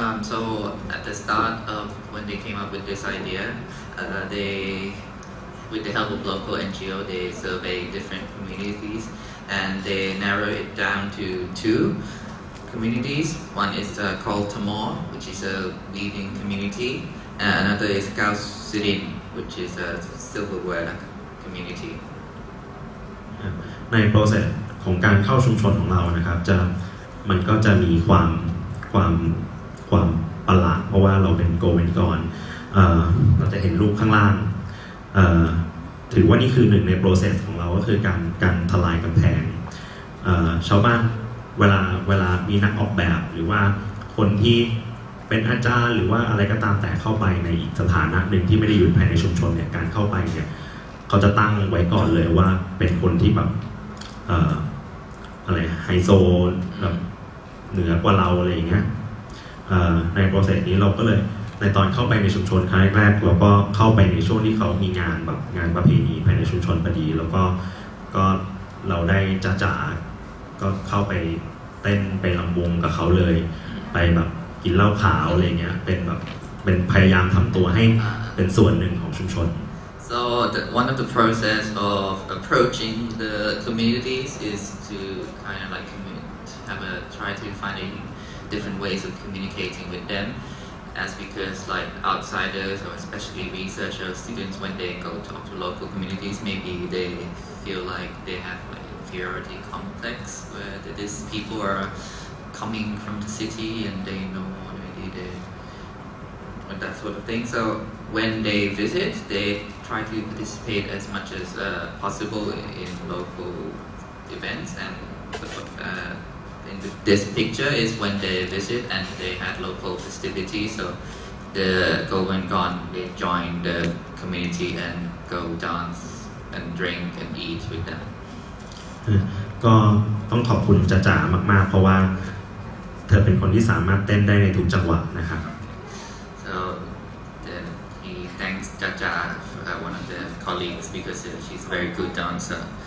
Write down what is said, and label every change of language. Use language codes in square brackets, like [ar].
[en] so at the start of when they came up with this idea they with the help of local NGO they surveyed different communities and they narrow it down to two communities one is called Tamor which is a weaving communityAnd another is Gao Sirin, which is a silverware community. [th] ในโปรเซสของการเข้าชุมชนของเรานะครับจะมันก็จะมีความประหลาดเพราะว่าเราเป็นGoWentGoneเราจะเห็นรูปข้างล่าง ถือว่านี่คือหนึ่งในโปรเซสของเราก็คือการทลายกำแพงชาวบ้านเวลามีนักออกแบบหรือว่าคนที่เป็นอาจารย์หรือว่าอะไรก็ตามแต่เข้าไปในสถานะหนึ่งที่ไม่ได้อยู่ภายในชุมชนเนี่ยการเข้าไปเนี่ยเขาจะตั้งไว้ก่อนเลยว่าเป็นคนที่แบบ อะไรไฮโซแบบเหนือกว่าเราอะไรอย่างเงี้ยในโปรเซสนี้เราก็เลยในตอนเข้าไปในชุมชนครั้งแรกเราก็เข้าไปในช่วงที่เขามีงานแบบงานประเพณีภายในชุมชนพอดีแล้วก็เราได้จ่าก็เข้าไปเต้นไปลำวงกับเขาเลยไปแบบกินเหล้าขาวอะไรเงี้ยเป็นแบบเป็นพยายามทำตัวให้เป็นส่วนหนึ่งของชุมชน [en] so the, one of the process of approaching the communities is to kind of like have a try to find a different ways of communicating with them as because like outsiders or especially researchers students when they go talk to local communities maybe they feel like they have an inferiority complex where these people areComing from the city, and they know already the that sort of thing. So when they visit, they try to participate as much as possible in local events. And in this picture is when they visit and they had local festivities. So the GoWentGone, they join the community and go dance and drink and eat with them. [th] ก็ต้องขอบคุณจ๋ามากๆเพราะว่าเธอเป็นคนที่สามารถเต้นได้ในทุกจังหวะนะครับ [en] So then he thanks Jaja one of the colleagues because she's a very good dancer